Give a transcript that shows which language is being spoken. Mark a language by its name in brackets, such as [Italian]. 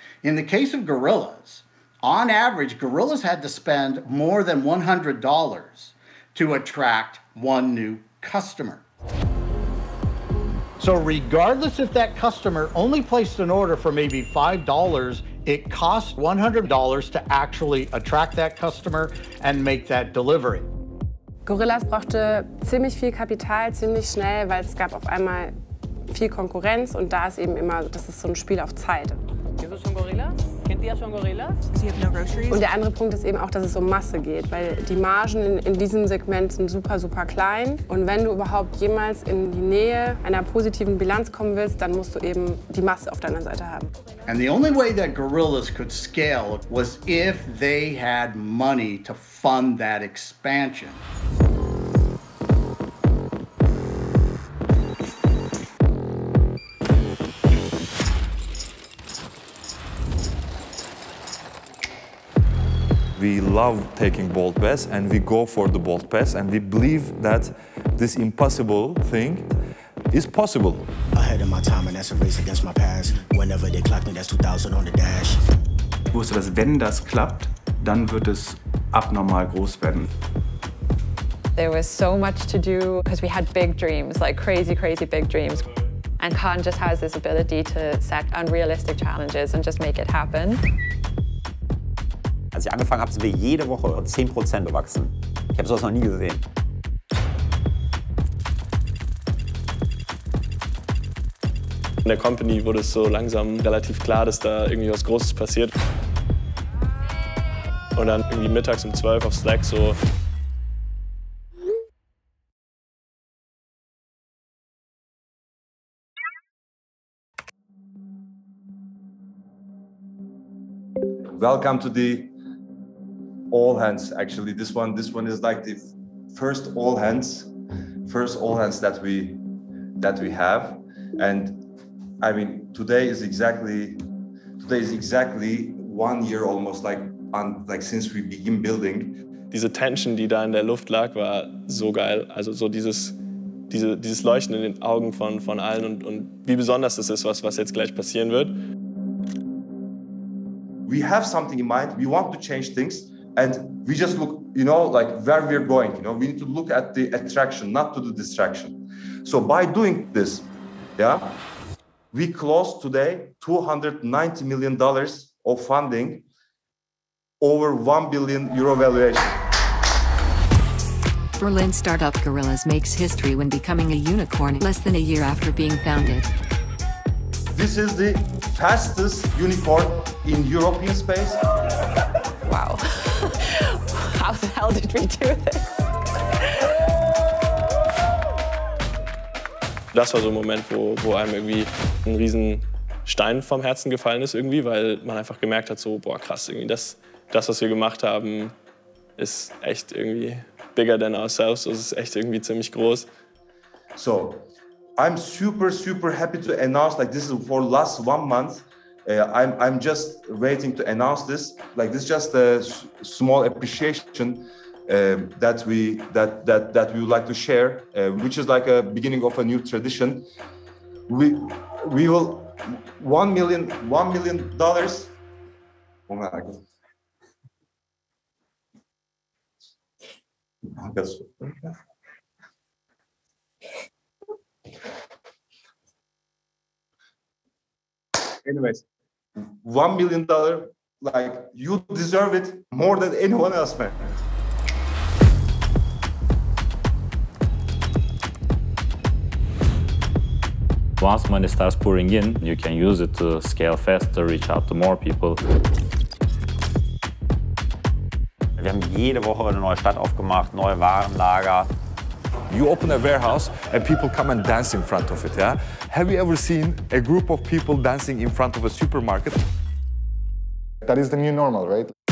[English] In the case of Gorillas, on average, Gorillas had to spend more than $100 to attract one new customer. So regardless if that customer only placed an order for maybe $5, it cost $100 to actually attract that customer and make that delivery. [German] Gorillas brauchte ziemlich viel Kapital, ziemlich schnell, weil es gab auf einmal viel Konkurrenz und da ist eben immer, das ist so ein Spiel auf Zeit. Kennst du schon Gorillas? Kennt ihr ja schon Gorillas? Sie hat no groceries. Und der andere Punkt ist eben auch, dass es um Masse geht, weil die Margen in diesem Segment sind super, super klein. Und wenn du überhaupt jemals in die Nähe einer positiven Bilanz kommen willst, dann musst du eben die Masse auf deiner Seite haben. [English] And the only way that Gorillas could scale was if they had money to fund that expansion. We love taking bold bets and we go for the bold bets and we believe that this impossible thing is possible. Ahead of my time and that's a race against my past. Whenever they clock me, that's 2000 on the dash. [German] Ich wusste, dass wenn das klappt, dann wird es abnormal groß werden. [English] There was so much to do because we had big dreams, like crazy, crazy big dreams. And Khan just has this ability to set unrealistic challenges and just make it happen. [German] Als ich angefangen habe, sind wir jede Woche 10% gewachsen. Ich habe sowas noch nie gesehen. In der Company wurde es so langsam relativ klar, dass da irgendwie was Großes passiert. Und dann irgendwie mittags um 12 auf Slack so. [English] Welcome to the all hands, actually. This one is like the first all hands that we have. And I mean, today is exactly 1 year almost, like since we begin building. [German] Diese Tension, die da in der Luft lag, war so geil. Also so dieses Leuchten in den Augen von allen und wie besonders das ist, was jetzt gleich passieren wird. [English] We have something in mind. We want to change things. And we just look, you know, like where we're going, you know, we need to look at the attraction, not to the distraction. So by doing this, yeah, we closed today $290 million of funding, over 1 billion euro valuation. Berlin startup Gorillas makes history when becoming a unicorn less than a year after being founded. This is the fastest unicorn in European space. Wow. How the hell did we do this? [German] Das war so ein Moment, wo einem irgendwie ein riesen Stein vom Herzen gefallen ist irgendwie, weil man einfach gemerkt hat, so boah krass, irgendwie das was wir gemacht haben, ist echt irgendwie [English] bigger than ourselves. [German] Das ist echt irgendwie ziemlich groß. [English] So, I'm super super happy to announce, like this is for last 1 month. I'm just waiting to announce this. Like this, is just a small appreciation that we would like to share, which is like a beginning of a new tradition. We will $1 million. Oh my God. Anyways. $1 million, like you deserve it more than anyone else, man. Once money starts pouring in, you can use it to scale faster, reach out to more people. [German] Wir haben jede Woche eine neue Stadt aufgemacht, neue Warenlager. [English] You open a warehouse and people come and dance in front of it, yeah? Have you ever seen a group of people dancing in front of a supermarket? That is the new normal, right?